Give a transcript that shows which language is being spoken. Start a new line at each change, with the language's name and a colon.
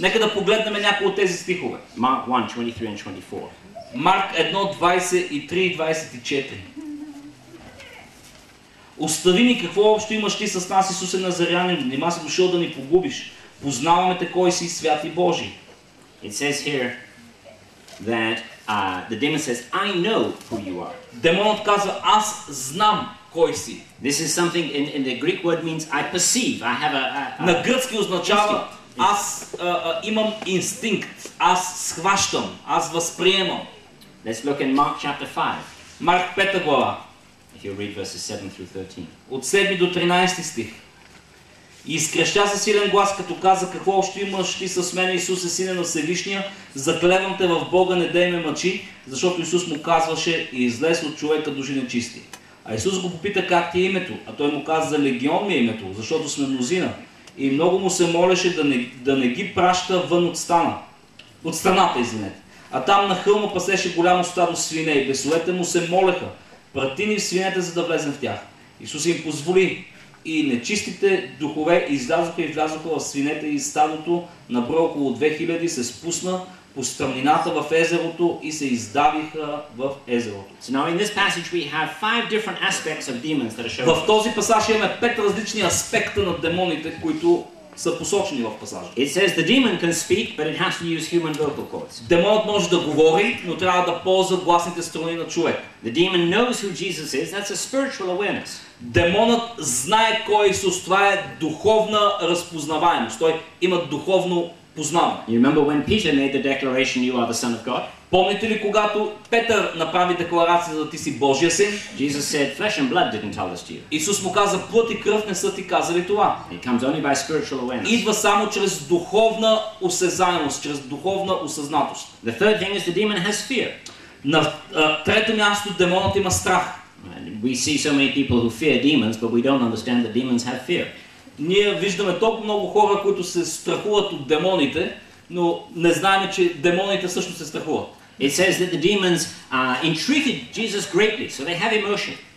Bulgarian: Нека да погледнем някои от тези стихове.
English: Mark 1:23 and 24.
Bulgarian: Марк 1:23-24. Остави ни, какво общо имаш ти с нас, Исусе Назарянин? Нема си дошъл да ни погубиш. Познаваме те кой си, свят и Божий.
English: It says here that the demon says, I know who you are.
Bulgarian: Демонът казва, аз знам.
English: This is something in the Greek word means I perceive. I have a
Bulgarian: на гръцки означава аз имам инстинкт, аз схващам, аз възприемам.
English: Let's look in Mark chapter 5.
Bulgarian: Марк 5 глава.
English: If you read verses 7 through 13.
Bulgarian: От 7 до 13 стих. И изкреща със силен глас, като каза, какво още имаш ти с мен, Исусе, Сине на Всевишния, заклевам те в Бога, не дей ме мъчи, защото Исус му казваше, излез от човека, души нечисти. А Исус го попита как ти е името, а той му каза легион ми е името, защото сме мнозина. И много му се молеше да не ги праща вън от стана. От страната, извинете. А там на хълма пасеше голямо стадо свине и бесовете му се молеха. Прати ни в свинете, за да влезем в тях. Исус им позволи. И нечистите духове излязоха и влязоха в свинете и стадото набро около 2000 се спусна по стръмнината в езерото и се издавиха в езерото.
English: So now in this passage we have five different aspects of demons that are shown.
Bulgarian: В този пасаж имаме пет различни аспекта на демоните, които са посочени в пасажа.
English: It says the demon can speak, but it has to use human vocal cords.
Bulgarian: Демонът може да говори, но трябва да ползва гласните струни на човек.
English: The demon knows who Jesus is. That's a spiritual awareness.
Bulgarian: Демонът знае кой е Исус. Това е духовна разпознаваемост. Той има духовно познаване.
English: You remember when Peter made the declaration, you are the Son of God?
Bulgarian: Помните ли когато Петър направи декларацията, ти си Божия син?
English: Jesus said, flesh and blood didn't tell this to you.
Bulgarian: Исус му каза, плът и кръв не са ти казали това.
English: It comes only by spiritual awareness.
Bulgarian: Идва само чрез духовна осезаемост, чрез духовна осъзнатост.
English: The third thing is the demon has fear.
Bulgarian: На трето място демонът има страх.
English: And we see so many people who fear demons, but we don't understand that demons have fear.
Bulgarian: Ние виждаме толкова много хора, които се страхуват от демоните, но не знаем, че демоните също се страхуват.
English: It says that the demons entreated Jesus greatly, so they have emotion.